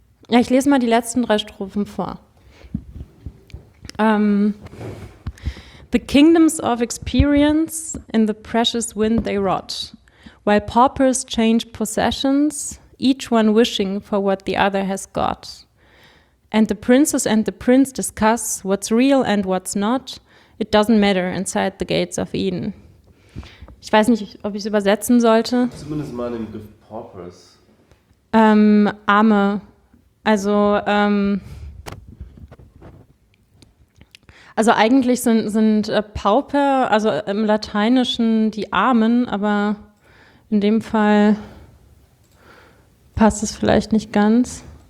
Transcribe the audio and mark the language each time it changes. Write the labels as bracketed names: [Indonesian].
[German] Ich lese mal die letzten drei Strophen vor. [English] The kingdoms of experience in the precious wind they rot, while paupers change possessions, each one wishing for what the other has got. And the princes and the prince discuss what's real and what's not. It doesn't matter inside the gates of Eden. [German] Ich weiß nicht, ob ich es übersetzen sollte. Zumindest mal den Begriff paupers. Arme. Also, eigentlich sind Pauper, also im Lateinischen die Armen, aber in dem Fall passt es vielleicht nicht ganz.